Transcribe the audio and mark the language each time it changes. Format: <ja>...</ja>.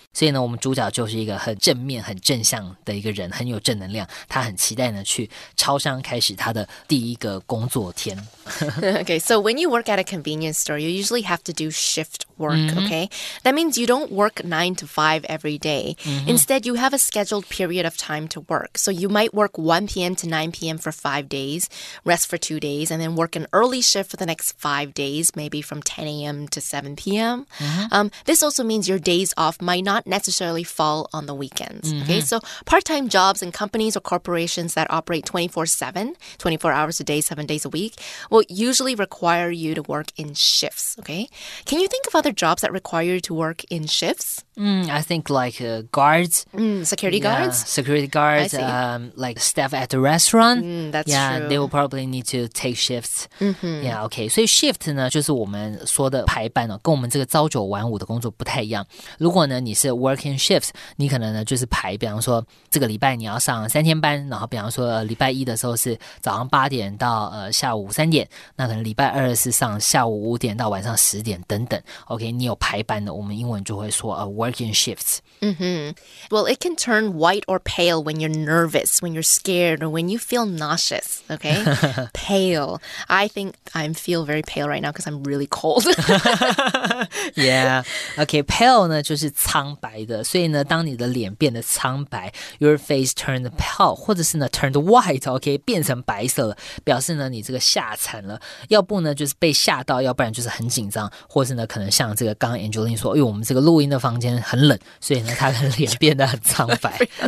<zh>所以呢，我们主角就是一个很正面、很正向的一个人，很有正能量。他很期待呢，去超商开始他的第一个工作天。</zh> <en>Okay, so when you work at a convenience store, you usually have to do shift work, okay? That means you don't work 9 to 5 every day. Instead, you have a scheduled period of time to work. So you might work 1 p.m. to 9 p.m. for 5 days, rest for 2 days, and then work an early shift for the next 5 days, maybe from 10 a.m. to 7 p.m. This also means your days off might not necessarily fall on the weekends, okay? So part-time jobs and companies or corporations that operate 24-7, 24 hours a day, 7 days a week,will usually require you to work in shifts, okay? Can you think of other jobs that require you to work in shifts? I think like guards. Security guards? Yeah, security guards, like staff at the restaurant. That's true. They will probably need to take shifts. Yeah, okay.</en> <zh>所以 shift 呢，就是我们说的排班哦，跟我们这个朝九晚五的工作不太一样。如果呢，你是</zh> <en>working shifts,</en> <zh>你可能呢就是排，比方说这个礼拜你要上3天班，然后比方说礼拜一的时候是早上8点到下午3点，那可能礼拜二是上下午5点到晚上10点等等。 OK, 你有排班的，我们英文就会说</zh> <en>working shifts. Well, it can turn white or pale when you're nervous, when you're scared, or when you feel nauseous. Okay, pale. I think I feel very pale right now because I'm really cold.</en> <zh>Yeah. Okay, pale 呢就是苍白的，所以呢，当你的脸变得苍白 ，</zh> <en>your face turned pale，</en> <zh>或者是呢</zh> <en>turned white，</en> <zh>OK， 变成白色了，表示呢你这个吓惨了，要不呢就是被吓到，要不然就是很紧张，或是呢可能像这个刚刚 Angeline 说，哎呦，我们这个录音的房间很冷，所以呢他的脸变得很苍白。</zh>